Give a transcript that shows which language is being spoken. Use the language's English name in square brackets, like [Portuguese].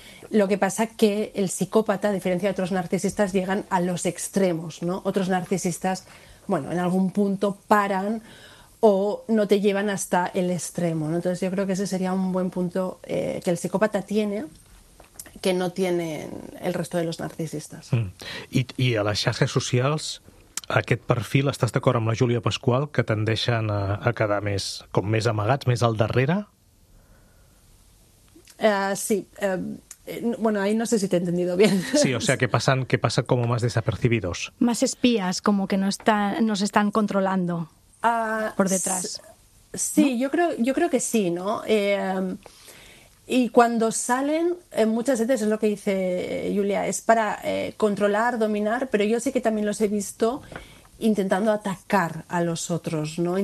[Spanish] Lo que pasa es que el psicópata, a diferencia de otros narcisistas, llegan a los extremos, ¿no? Otros narcisistas, bueno, en algún punto paran o no te llevan hasta el extremo, ¿no? Entonces yo creo que ese sería un buen punto que el psicópata tiene, que no tienen el resto de los narcisistas. Mm. [Catalan] I a les xarxes socials, aquest perfil, estàs d'acord amb la Júlia Pascual, que tendeixen a quedar més, com més amagats, més al darrere? [Spanish] Sí. Bueno, ahí no sé si te he entendido bien. Sí, o sea, que pasan como más desapercibidos. Más espías, como que nos están controlando por detrás. Sí, ¿no? yo creo que sí, ¿no? Y cuando salen, muchas veces es lo que dice Julia, es para controlar, dominar, pero yo sí que también los he visto intentando atacar a los otros, ¿no?